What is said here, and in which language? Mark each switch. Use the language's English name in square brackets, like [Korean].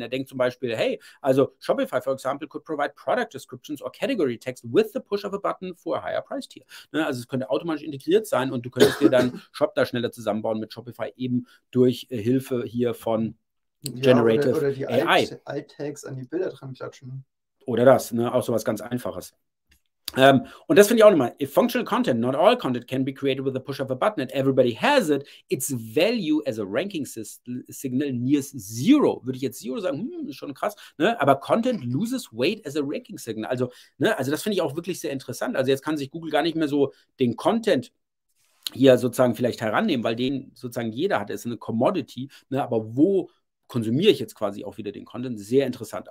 [German] Er denkt zum Beispiel, hey, also [English] Shopify, for example, could provide product descriptions or category text with the push of a button for a higher price tier. [German] Ne, also es könnte automatisch integriert sein und du könntest dir dann Shop da schneller zusammenbauen mit Shopify eben durch Hilfe hier von Generative AI. Oder die Alt-Tags an die Bilder dran klatschen. Oder das, ne? Auch sowas ganz Einfaches. Und das finde ich auch nochmal. [English] If functional content, not all content, can be created with the push of a button and everybody has it, its value as a ranking signal nears zero. [German] Würde ich jetzt zero sagen, ist schon krass, ne? Aber [English] content loses weight as a ranking signal. [German] Also, ne? Also das finde ich auch wirklich sehr interessant. Also jetzt kann sich Google gar nicht mehr so den Content hier sozusagen vielleicht herannehmen, weil den sozusagen jeder hat. Es ist eine Commodity, ne? Aber wo konsumiere ich jetzt quasi auch wieder den Content. Sehr interessant.